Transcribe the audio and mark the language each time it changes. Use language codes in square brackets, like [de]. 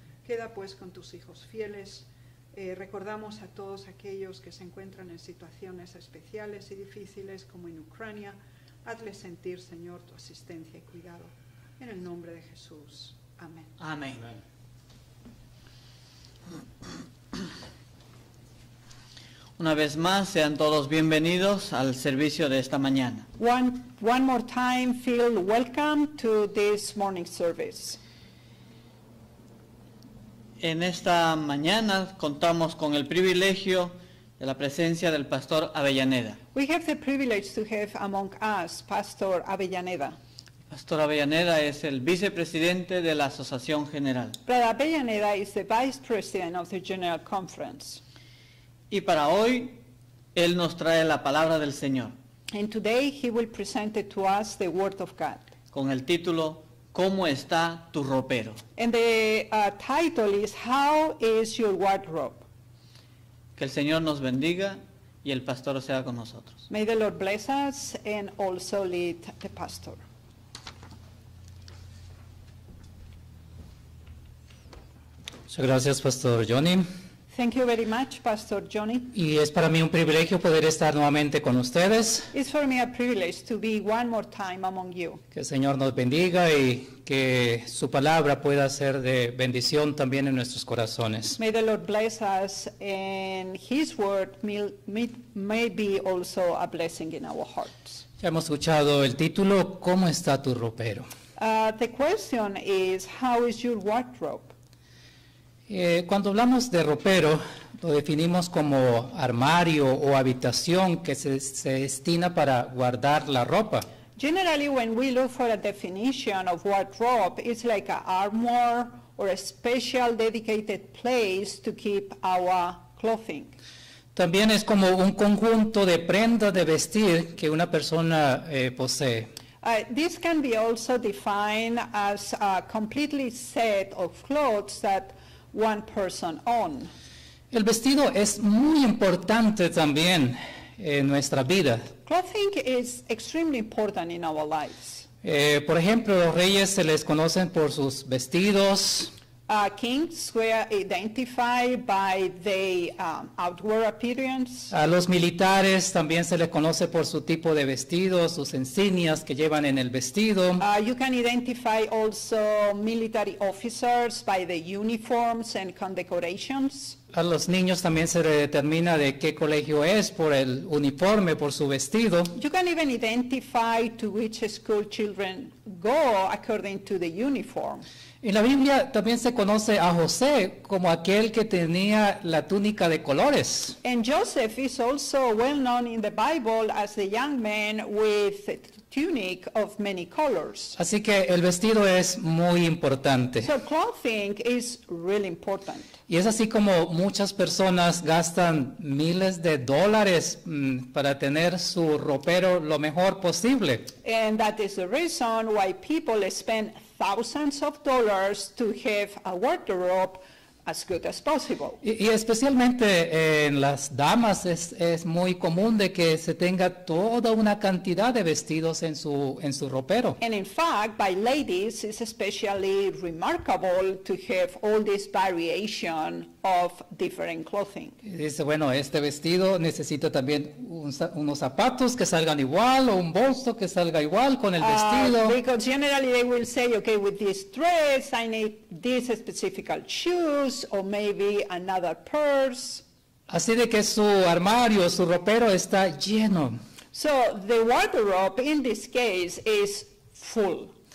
[es] Queda pues con tus hijos fieles. Recordamos a todos aquellos que se encuentran en situaciones especiales y difíciles como en Ucrania. Hazles sentir, Señor, tu asistencia y cuidado. En el nombre de Jesús. Amén. Amén. Una vez más, sean todos bienvenidos al servicio de esta mañana. [en] One more time, feel welcome to this morning service. [es] En esta mañana contamos con el privilegio de la presencia del Pastor Avellaneda. [en] We have the privilege to have among us Pastor Avellaneda. [es] Pastor Avellaneda es el vicepresidente de la Asociación General. [en] Brother Avellaneda is the vice president of the General Conference. [es] Y para hoy, él nos trae la palabra del Señor. [en] And today he will present it to us the word of God. [es] Con el título, ¿cómo está tu ropero? [en] And the title is, how is your wardrobe? [es] Que el Señor nos bendiga y el pastor sea con nosotros. [en] May the Lord bless us and also lead the pastor. [es] Muchas gracias, Pastor Johnny. [en] Thank you very much, Pastor Johnny. [es] Y es para mí un privilegio poder estar nuevamente con ustedes. [en] It's for me a privilege to be one more time among you. [es] Que el Señor nos bendiga y que su palabra pueda ser de bendición también en nuestros corazones. [en] May the Lord bless us and his word may be also a blessing in our hearts. [es] Ya hemos escuchado el título, ¿cómo está tu ropero? [en] The question is, how is your wardrobe? [es] Cuando hablamos de ropero, lo definimos como armario o habitación que se destina para guardar la ropa. [en] Generally, when we look for a definition of wardrobe, it's like an armoire or a special dedicated place to keep our clothing. [es] También es como un conjunto de prendas de vestir que una persona posee. [en] This can be also defined as a completely set of clothes that one person on. [es] El vestido es muy importante también en nuestra vida. [en] Clothing is extremely important in our lives. [es] Por ejemplo, los reyes se les conocen por sus vestidos. [en] Kings were identified by their outward appearance. [es] A los militares también se les conoce por su tipo de vestido, sus insignias que llevan en el vestido. [en] You can identify also military officers by the uniforms and condecorations. [es] A los niños también se les determina de qué colegio es por el uniforme, por su vestido. [en] You can even identify to which school children go according to the uniform. [es] En la Biblia también se conoce a José como aquel que tenía la túnica de colores. [en] And Joseph is also well known in the Bible as the young man with a tunic of many colors. [es] Así que el vestido es muy importante. [en] So clothing is really important. [es] Y es así como muchas personas gastan miles de dólares para tener su ropero lo mejor posible. [en] And that is the reason why people spend thousands of dollars to have a wardrobe as good as possible. [es] Y especialmente en las damas es muy común de que se tenga toda una cantidad de vestidos en su ropero. [en] And in fact, by ladies, it's especially remarkable to have all this variation of different clothing. [es] Y dice, bueno, este vestido necesita también unos zapatos que salgan igual o un bolso que salga igual con el vestido. [en] Because generally they will say, okay, with this dress, I need this specific shoes, or maybe another purse. [es] Así de que su armario, su ropero está lleno. [en] So the wardrobe in this case is full.